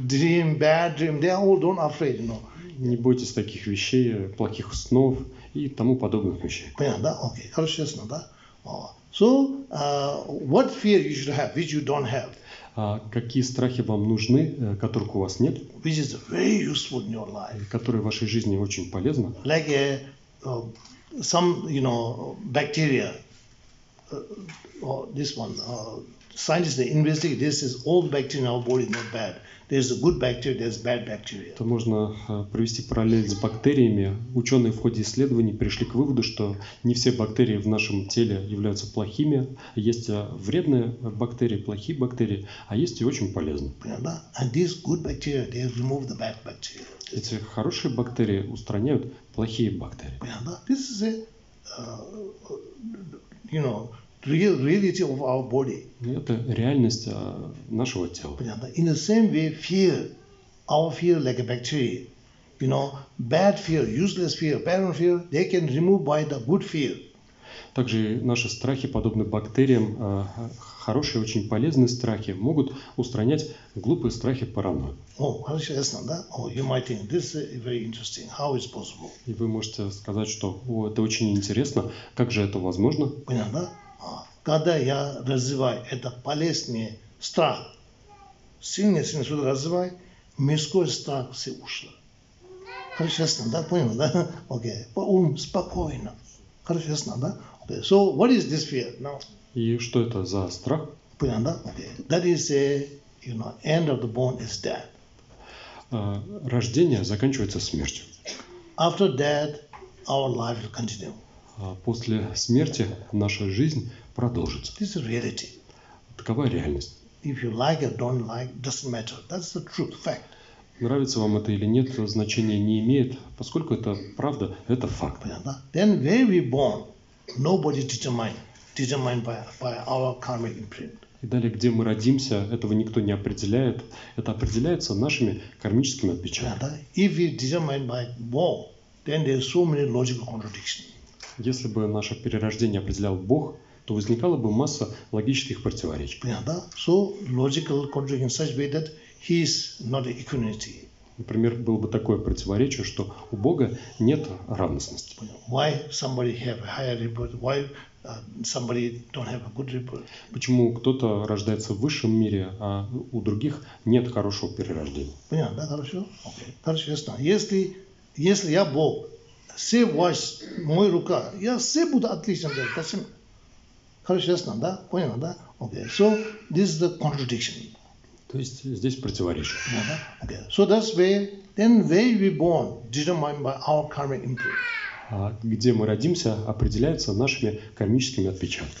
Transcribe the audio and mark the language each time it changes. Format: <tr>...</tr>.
<en>Dream, bad dream, they are all don't afraid, you know.</en> <ru>Не бойтесь таких вещей, плохих снов и тому подобных вещей. Понятно, да? Okay, хорошо, ясно, да?</ru> <en>So, what fear you should have, which you don't have?</en> <ru>Какие страхи вам нужны, которых у вас нет?</ru> <en>Which is very useful in your life.</en> <ru>Которые в вашей жизни очень полезны.</ru> <en>Like some, you know, bacteria. This one. Scientists they investigate. This is old bacteria in our body, not bad. There's a good bacteria, there's bad bacteria.</en> <ru>То можно провести параллель с бактериями. Ученые в ходе исследований пришли к выводу, что не все бактерии в нашем теле являются плохими. Есть вредные бактерии, плохие бактерии, а есть и очень полезные. Понятно?</ru> <en>And these good bacteria they remove the bad bacteria.</en> <ru>Эти хорошие бактерии устраняют плохие бактерии. Понятно?</ru> <en>This is a, you know. Real reality of our body.</en> <ru>Это реальность нашего тела. Понятно.</ru> <en>In the same way, fear, our fear like a bacteria, you know, bad fear, useless fear, paranoid fear, they can remove by the good fear.</en> <ru>Также наши страхи, подобные бактериям, хорошие, очень полезные страхи, могут устранять глупые страхи паранойи. Oh, хорошо, ясно, да?</ru> <en>Oh, you might think this is very interesting. How is possible?</en> <ru>И вы можете сказать, что, о, это очень интересно. Как же это возможно? Понятно, да? Когда я развиваю это полезный страх, сильный, сильный сюда развиваю, мирской страх все ушло. Хорошо, ясно, да? Понял, да? Окей. По ум спокойно. Хорошо, ясно, да? Окей.</ru> <en>So, what is this fear now?</en> <ru>И что это за страх? Понял, да? Окей.</ru> <en>That is a, you know, end of the bone is death.</en> <ru>Рождение заканчивается смертью.</ru> <en>After death, our life will continue.</en> <ru>После смерти наша жизнь продолжится.</ru> <en>This is reality.</en> <ru>Такова реальность.</ru> <en>If you like it, don't like, doesn't matter. That's the truth, fact.</en> <ru>Нравится вам это или нет, значения не имеет, поскольку это правда, это факт. Понятно?</ru> <en>Then when we born, nobody determined by our karmic imprint.</en> <ru>И далее, где мы родимся, этого никто не определяет. Это определяется нашими кармическими отпечатками.</ru> <en>If we determined by born, then there are so many logical contradictions.</en> <ru>Если бы наше перерождение определял Бог, то возникала бы масса логических противоречий. Понятно, да?</ru> <en>So, logical contradiction such way that he is not an equanimity.</en> <ru>Например, было бы такое противоречие, что у Бога нет равностности.</ru> <en>Why somebody have higher rebirth? Why somebody don't have a good rebirth.</en> <ru>Почему кто-то рождается в высшем мире, а у других нет хорошего перерождения? Понятно, да, хорошо? Окей. Хорошо, ясно. Если я Бог, все власть, моя рука, я все буду отлично делать. Спасибо. Хорошо, ясно, да? Понятно, да? Окей.</ru> <en>So, this is the contradiction.</en> <ru>То есть здесь противоречие. Да, да. Окей.</ru> <en>So, that's where, then where we born determined by our karmic imprint.</en> <ru>Где мы родимся, определяется нашими кармическими отпечатками.</ru>